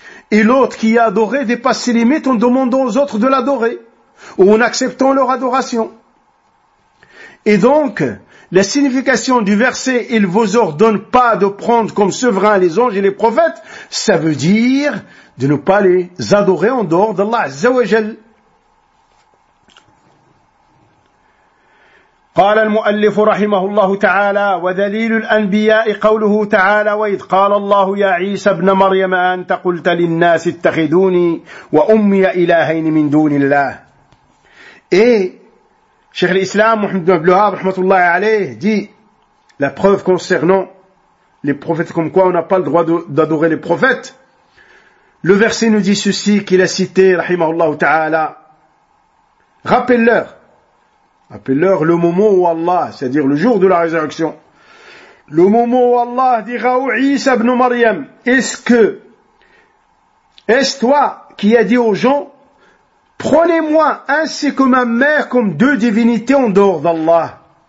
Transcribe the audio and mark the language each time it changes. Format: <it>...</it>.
<fr>Et l'autre qui a adoré dépasse ses limites en demandant aux autres de l'adorer, ou en acceptant leur adoration. Et donc, la signification du verset « Il vous ordonne pas de prendre comme souverain les anges et les prophètes », ça veut dire de ne pas les adorer en dehors d'Allah, Azza wa Jal.</fr> <ar>قال المؤلف رحمه الله تعالى ودليل الأنبياء قوله تعالى وإذ قال الله يا عيسى ابن مريم أنت قلت للناس اتخذوني وأمي إلهين من دون الله.</ar> <fr>Et</fr> <ar>شيخ الإسلام محمد بن عبد الوهاب رحمة الله عليه</ar> <fr>dit la preuve concernant les prophètes, comme quoi on n'a pas le droit d'adorer les prophètes. Le verset nous dit ceci qu'il a cité</fr> <ar>رحمه الله تعالى.</ar> <fr>Rappelle-leur le moment où Allah, c'est-à-dire le jour de la résurrection, le moment où Allah dira au Isa ibn Maryam, est-ce toi qui as dit aux gens, prenez-moi ainsi que ma mère comme deux divinités en dehors d'Allah.</fr>